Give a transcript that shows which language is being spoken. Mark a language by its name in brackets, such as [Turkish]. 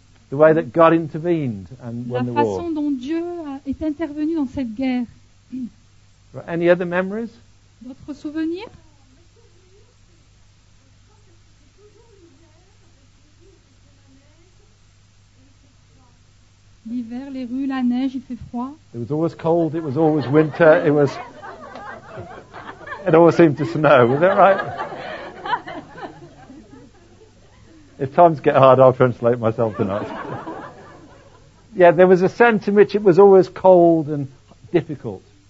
[English] The way that God intervened and won the war. [French] La façon dont Dieu est intervenu dans cette guerre. [English] Right. Any other memories? [French] D'autres souvenirs? L'hiver, les rues, la neige, il fait froid. [English] It was always cold, it was always winter, it was... It always seemed to snow, was that right? If times get hard, I'll translate myself tonight. Yeah, there was a sense in which it was always cold and difficult.